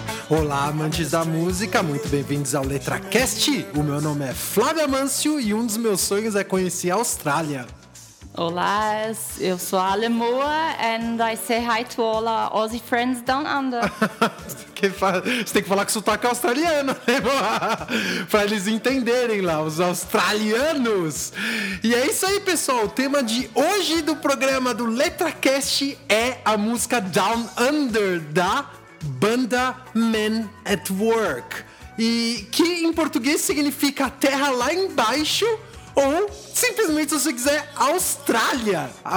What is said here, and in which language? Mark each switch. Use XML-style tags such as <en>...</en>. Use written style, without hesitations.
<pt>Olá, amantes da música, muito bem-vindos ao LetraCast. O meu nome é Flávio Amâncio e um dos meus sonhos é conhecer a Austrália. Olá, eu sou a</pt> <en>Ale Moa and I say hi to all our Aussie friends down under.</en> <pt>Você tem que falar com sotaque australiano, né, Moa? Pra eles entenderem lá, os australianos. E é isso aí, pessoal. O tema de hoje do programa do LetraCast é a música Down Under, da banda Men at Work, e que em português significa terra lá embaixo, ou simplesmente, se você quiser, Austrália.</pt>